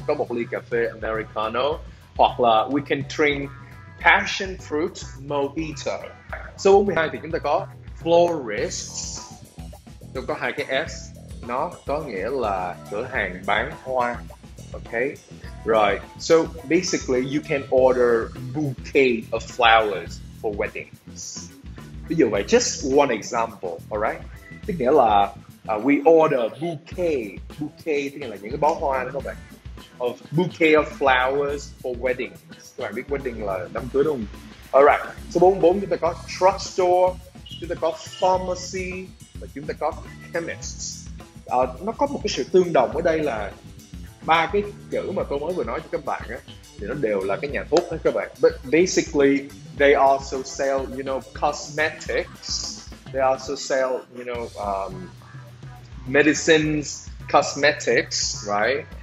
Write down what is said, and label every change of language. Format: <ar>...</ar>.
<vi>Có một ly cà phê americano. Hoặc là</vi> <en>we can drink passion fruit mojito.</en> <vi>Số 42 thì chúng ta có florists. Chúng có hai cái S. Nó có nghĩa là cửa hàng bán hoa.</vi> <en>Okay. Right. So basically you can order bouquet of flowers for weddings.</en> <vi>Ví dụ vậy,</vi> <en>just one example, all right?</en> <vi>Tức nghĩa là</vi> <en>we order bouquet.</en> <vi>Bouquet tức nghĩa là những cái bó hoa đó các bạn.</vi> <en>Of bouquet of flowers for weddings.</en> <vi>Các bạn biết wedding là đám cưới đúng không? All right. So 44 chúng ta có drugstore, chúng ta có pharmacy và chúng ta có chemists. Nó có một cái sự tương đồng ở đây là ba cái chữ mà tôi mới vừa nói cho các bạn á thì nó đều là cái nhà thuốc hết các bạn.</vi> <en>But basically they also sell, you know, cosmetics. They also sell, you know, medicines, cosmetics, right?</en>